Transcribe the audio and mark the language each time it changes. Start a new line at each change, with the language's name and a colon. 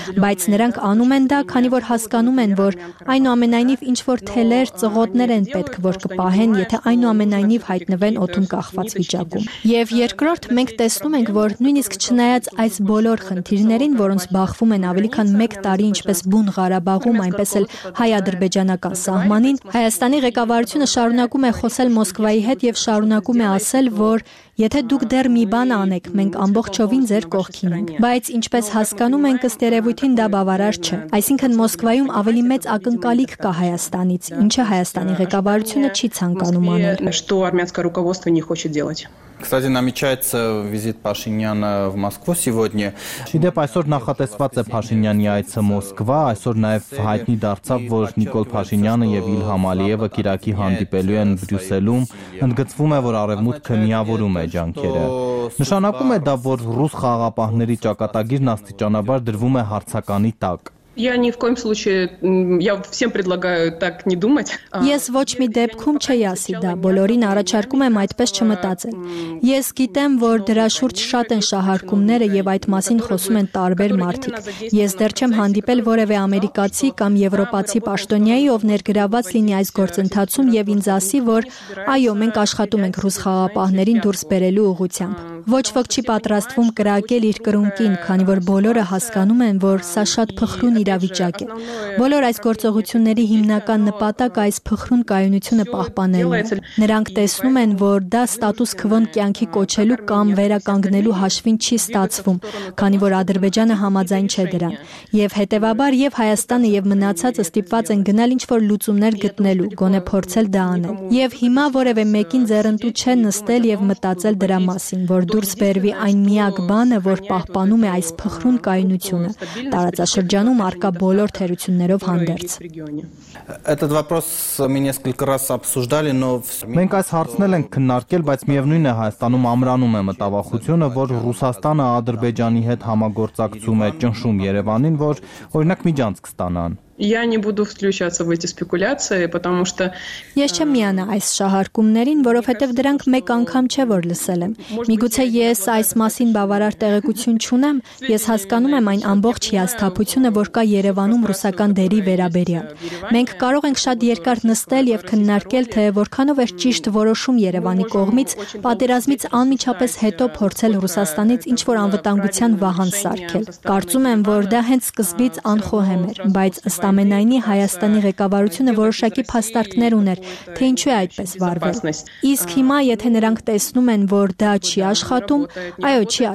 Armenian: բայց նրանք անում են դա, քանի որ հասկանում են, որ այնուամենայնիվ ինչ որ թելեր, ծղոտներ են պետք, որ կպահեն, եթե այնուամենայնիվ հայտնվեն օդում կախված վիճակում։ Եվ երկրորդ, մենք տեսնում ենք, որ նույնիսկ չնայած այս բոլոր խնդիրներին, որոնց բախվում են ավելի քան 1 տարի ինչպես բուն Ղարաբաղում, այնպես էլ հայ-ադրբեջանական սահմանին, Հայաստանի ղեկավարությունը շարունակում է խոսել Մոսկվայի հետ եւ շարունակում է ասել, որ եթե դուք դեռ մի բան անեք, մենք ամբողջովին ձեր կողքին ենք։ Բայց ինչպես հասկանում ենք, ըստ երևույթին դա բավարար չէ։ Այսինքն Մոսկվայում ավելի մեծ ակնկալիք կա Հայաստանից, ինչը Հայաստանի ղեկավարությունը չի ցանկանում անել։
Russian: Что армянское руководство не хочет делать? Кстати, намечается визит Пашиняна в Москву сегодня.
Armenian: Դեպ այսօր նախատեսված է Փաշինյանի այցը Մոսկվա, այսօր նաև հայտնի դարձավ, որ Նիկոլ Փաշինյանը եւ Իլհամ Ալիևը Կիրակի հանդիպելու են Բրյուսելում, ընդգծվում է, որ արևմուտքը միավորում է ջանքերը։ Նշանակում է դա, որ ռուս խաղապահների ճակատագիրն աստիճանաբար դրվում է հարցականի տակ։
Russian: Я ни в коем случае, я всем предлагаю так не думать.
Armenian: Ես ոչ մի դեպքում չի ասի դա, բոլորին առաջարկում եմ այդպես չմտածել։ Ես գիտեմ, որ դրա շուրջ շատ են շահարկումները եւ այդ մասին խոսում են տարբեր մարդիկ։ Ես դեռ չեմ հանդիպել որևէ ամերիկացի կամ եվրոպացի պաշտոնյայի, ով ներգրաված լինի այս գործընթացում եւ ինձ ասի, որ այո, մենք աշխատում ենք ռուս խաղապահներին դուրս բերելու ուղղությամբ։ Ոչ ոք չի պատրաստվում կրակել իր կրունկին, քանի որ բոլորը հասկանում են, որ սա շատ փխրուն իրավիճակ է։ Բոլոր այս գործողությունների հիմնական նպատակը այս փխրուն կայունությունը պահպանելն է։ Նրանք տեսնում են, որ դա ստատուս քվոն կյանքի կոչելու կամ վերականգնելու հաշվին չի ստացվում, քանի որ Ադրբեջանը համաձայն չէ դրան։ Եվ հետևաբար, եւ Հայաստանը, եւ մնացածը ստիպված են գնալ ինչ-որ լուծումներ գտնելու, գոնե փորձել դա անել։ Եվ հիմա որևէ մեկին ձեռնտու չէ նստել եւ մտածել դրա մասին, որ դուրս բերվի այն միակ բանը, որ պահպանում է այս փխրուն կայունությունը, տարածաշրջանում առկա բոլոր թերություններով հանդերձ։
Russian: Этот вопрос мы несколько раз обсуждали, но
Armenian: Մենք այս հարցնել ենք քննարկել, բայց միևնույնն է, Հայաստանում ամրանում է մտավախությունը, որ Ռուսաստանը Ադրբեջանի հետ համագործակցում է, ճնշում Երևանին, որ օրինակ միջանցք ստանան։
Russian: Я не буду включаться в эти спекуляции, потому что
Armenian: Ես չեմ միանա այս շահարկումներին, որովհետև դրանք մեկ անգամ չէ որ լսել եմ։ Միգուցե ես այս մասին բավարար տեղեկություն չունեմ, ես հասկանում եմ այն ամբողջ հիասթափությունը, որ կա Երևանում ռուսական դերի վերաբերյալ։ Մենք կարող ենք շատ երկար նստել եւ քննարկել, թե որքանով է ճիշտ որոշում Երևանի կողմից պատերազմից անմիջապես հետո փորձել Ռուսաստանից ինչ որ անվտանգության վահան սարքել։ Կարծում եմ, որ դա հենց սկզբից անխոհեմ էր, բայց ըստ ամենայնի Հայաստանի ղեկավարությունը որոշակի փաստարկներ ուներ, թե ինչու է այդպես վարվել։ Իսկ հիմա, եթե նրանք տեսնում են, որ դա չի աշխատում, այո,